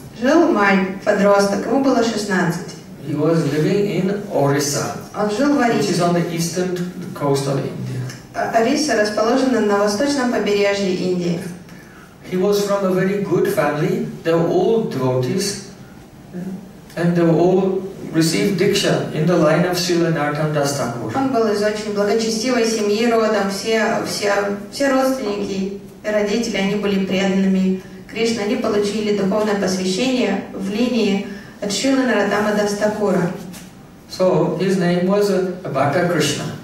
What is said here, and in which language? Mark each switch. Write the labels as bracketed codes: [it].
[ru] Жил маленький подросток, ему было 16. [en] He was living in Orissa. [ru] Он жил в Орисе. [en] Which is on the eastern coast of India. [ru] Орисса расположена на восточном побережье Индии. [en] He was from a very good family. They were all devotees, and they were all received diksha in the line of Srila Narottam Das Thakur. [ru] Он был из очень благочестивой семьи родом. Все родственники, родители, они были преданными Кришна, они получили духовное посвящение в линии от Шрилы Нарадама Дастакура. [en] So his name was Bhatta Krishna.